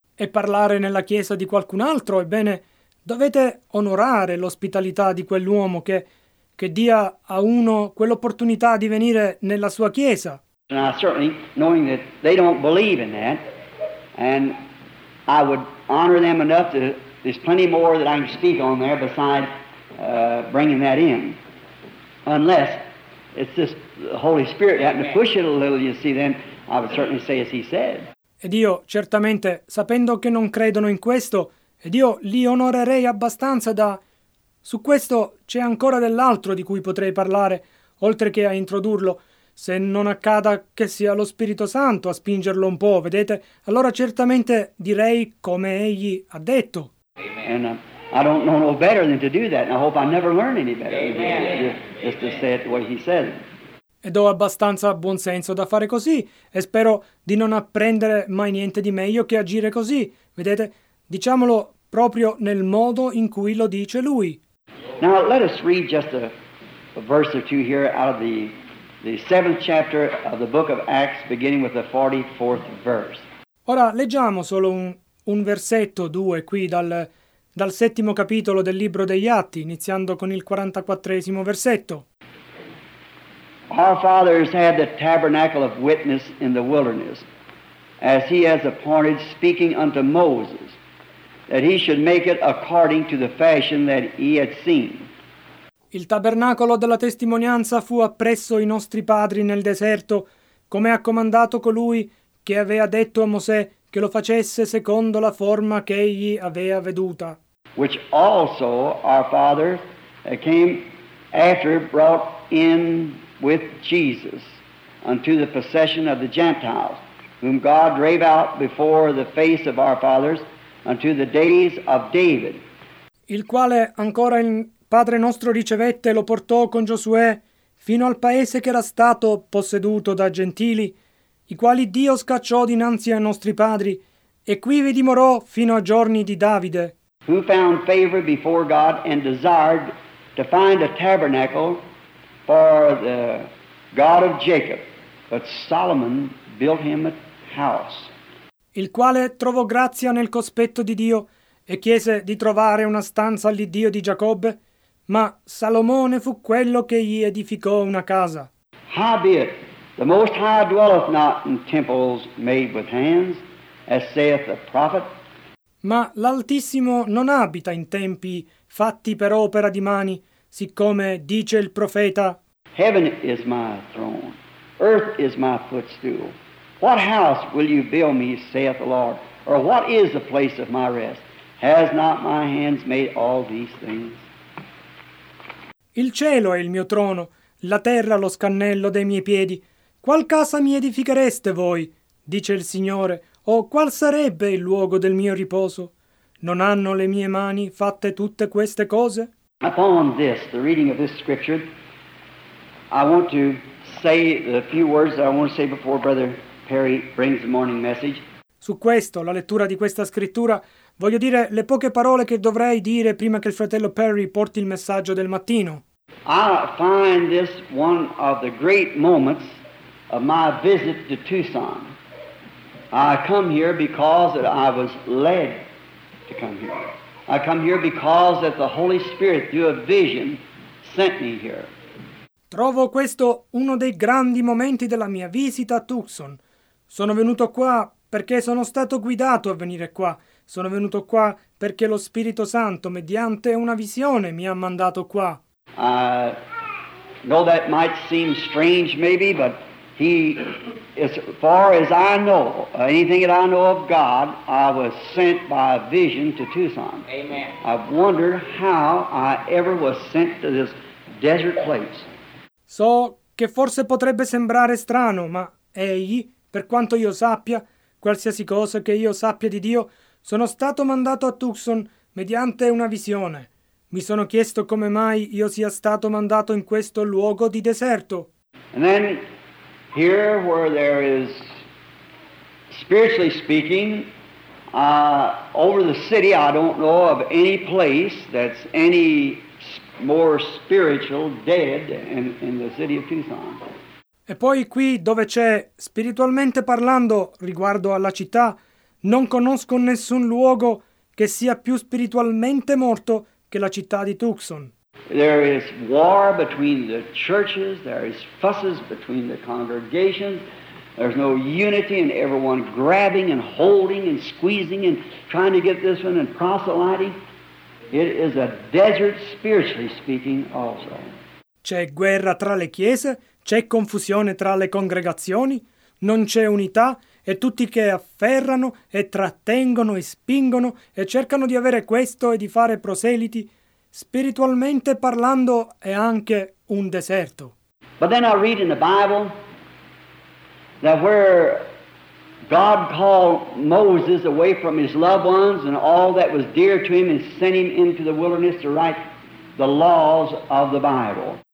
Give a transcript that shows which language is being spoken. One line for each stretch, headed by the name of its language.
Italian: E parlare nella chiesa di qualcun altro, ebbene, dovete onorare l'ospitalità di quell'uomo che dia a uno quell'opportunità di venire nella sua chiesa.
English: Now, certainly, knowing that they don't believe in that, and I would honor them enough to, there's plenty more that I can speak on there besides bringing that in. Unless it's just the Holy Spirit having to push it a little, you see, then I would certainly say as he said.
Italian: Ed io, certamente, sapendo che non credono in questo, ed io li onorerei abbastanza da... Su questo c'è ancora dell'altro di cui potrei parlare, oltre che a introdurlo. Se non accada che sia lo Spirito Santo a spingerlo un po', vedete, allora certamente direi come egli ha detto.
English: And I don't know no better than to do that, and I hope I never learn any better. Amen. Just to say it the way he said it.
Italian: Ed ho abbastanza buon senso da fare così, e spero di non apprendere mai niente di meglio che agire così. Vedete, diciamolo proprio nel modo in cui lo dice lui.
English: Now let us read just a verse or two here out of the seventh chapter of the book of Acts, beginning with the 44th verse.
Italian: Ora leggiamo solo un versetto, due, qui dal settimo capitolo del libro degli Atti, iniziando con il 44esimo versetto.
English: Our fathers had the tabernacle of witness in the wilderness, as he has appointed, speaking unto Moses, that he should make it according to the fashion that he had seen.
Italian: Il tabernacolo della testimonianza fu appresso i nostri padri nel deserto, come ha comandato colui che aveva detto a Mosè che lo facesse secondo la forma che egli aveva veduta.
English: Which also our father came after brought in with Jesus unto the possession of the Gentiles, whom God drave out before the face of our fathers unto the days of David.
Italian: Il quale ancora il Padre nostro ricevette e lo portò con Giosuè fino al paese che era stato posseduto da Gentili, i quali Dio scacciò dinanzi ai nostri padri, e qui vi dimorò fino ai giorni di Davide.
English: Who found favor before God and desired to find a tabernacle for the God of Jacob, but Solomon built him a house.
Italian: Il quale trovò grazia nel cospetto di Dio e chiese di trovare una stanza all'Iddio di Giacobbe, ma Salomone fu quello che gli edificò una casa.
English: Howbeit, The Most High dwelleth not in temples made with hands, as saith the prophet.
Italian: Ma l'Altissimo non abita in tempi fatti per opera di mani, siccome dice il profeta.
English: Heaven is my throne, earth is my footstool. What house will you build me, saith the Lord? Or what is the place of my rest? Has not my hands made all these things?
Italian: Il cielo è il mio trono, la terra lo scannello dei miei piedi. Qual casa mi edifichereste voi, dice il Signore, o qual sarebbe il luogo del mio riposo? Non hanno le mie mani fatte tutte queste cose?
English: Upon this, the reading of this scripture, I want to say the few words that I want to say before Brother Perry brings the morning message.
Italian: Su questo, la lettura di questa scrittura, voglio dire le poche parole che dovrei dire prima che il fratello Perry porti il messaggio del mattino.
English: I find this one of the great moments of my visit to Tucson. I come here because that I was led to come here. I come here because that the Holy Spirit, through a vision, sent me here.
Italian: Trovo questo uno dei grandi momenti della mia visita a Tucson. Sono venuto qua perché sono stato guidato a venire qua. Sono venuto qua perché lo Spirito Santo, mediante una visione, mi ha mandato qua.
English: I know that might seem strange, maybe, but he, as far as I know, anything that I know of God, I was sent by a vision to Tucson. Amen. I wondered how I ever was sent to this desert place.
Italian: So che forse potrebbe sembrare strano, ma egli, per quanto io sappia, qualsiasi cosa che io sappia di Dio, sono stato mandato a Tucson mediante una visione. Mi sono chiesto come mai io sia stato mandato in questo luogo di deserto.
English: And then, here where there is, spiritually speaking, over the city, I don't know of any place that's any more spiritual dead in the city of Tucson.
Italian: E poi qui dove c'è, spiritualmente parlando, riguardo alla città, non conosco nessun luogo che sia più spiritualmente morto che la città di Tucson.
English: There is war between the churches, there is fusses between the congregations, there's no unity and everyone grabbing and holding and squeezing and trying to get this one and proselyting. It is a desert, spiritually speaking, also.
Italian: C'è guerra tra le chiese, c'è confusione tra le congregazioni, non c'è unità, e tutti che afferrano e trattengono e spingono e cercano di avere questo e di fare proseliti, spiritualmente parlando, è anche un deserto.
English: But then I read in the Bible that where God called Moses away from his loved ones and all that was dear to him and sent him into the wilderness to write the laws of the Bible.